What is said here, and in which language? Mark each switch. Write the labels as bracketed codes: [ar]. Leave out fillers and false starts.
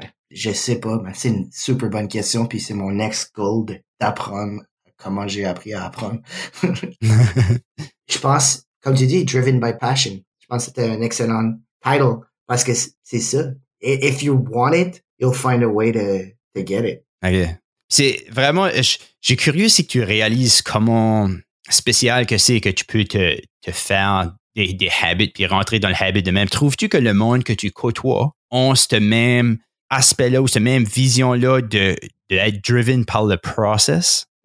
[fr] Je sais pas, mais c'est une super bonne question, puis c'est mon [en] next goal [fr] d'apprendre comment j'ai appris à apprendre. Je pense, comme tu dis, [en] driven by passion. [fr] Je pense que c'était un excellent title, parce que c'est ça. [en] If you want it, you'll find a way to get it. OK. [fr] C'est vraiment, j'ai curieux si tu réalises comment spécial que c'est que tu peux te faire des habits puis rentrer dans le habit de même. Trouves-tu que le monde que tu côtoies ont ce même aspect-là ou cette même vision-là d'être [en] driven [fr] par le process?